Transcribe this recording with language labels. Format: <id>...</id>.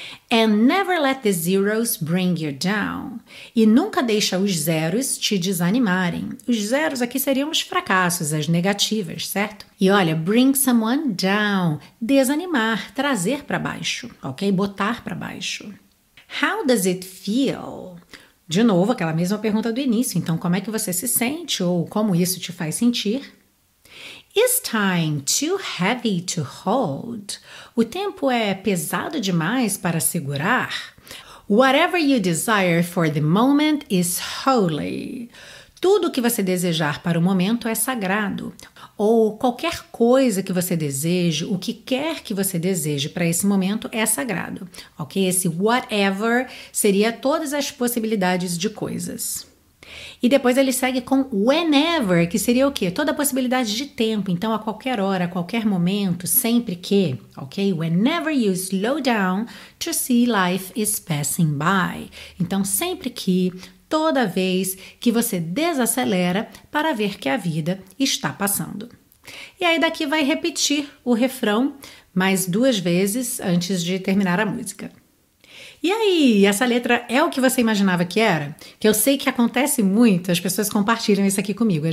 <en>And never let the zeros bring you down.</en> <pt>E nunca deixa os zeros te desanimarem. Os zeros aqui seriam os fracassos, as negativas, certo? E olha,</pt> <en>bring someone down.</en> <pt>Desanimar, trazer para baixo, ok? Botar para baixo.</pt> <en>How does it feel?</en> <pt>De novo, aquela mesma pergunta do início. Então, como é que você se sente ou como isso te faz sentir?</pt> <en>It's time too heavy to hold.</en> <pt>O tempo é pesado demais para segurar.</pt> <en>Whatever you desire for the moment is holy.</en> <pt>Tudo que você desejar para o momento é sagrado. Ou qualquer coisa que você deseje, o que quer que você deseje para esse momento é sagrado. Ok? Esse whatever seria todas as possibilidades de coisas. E depois ele segue com whenever, que seria o quê? Toda possibilidade de tempo. Então, a qualquer hora, a qualquer momento, sempre que, ok?</pt> <en>Whenever you slow down to see life is passing by.</en> <pt>Então, sempre que, toda vez que você desacelera para ver que a vida está passando. E aí daqui vai repetir o refrão mais duas vezes antes de terminar a música. E aí, essa letra é o que você imaginava que era? Que eu sei que acontece muito, as pessoas compartilham isso aqui comigo.</pt>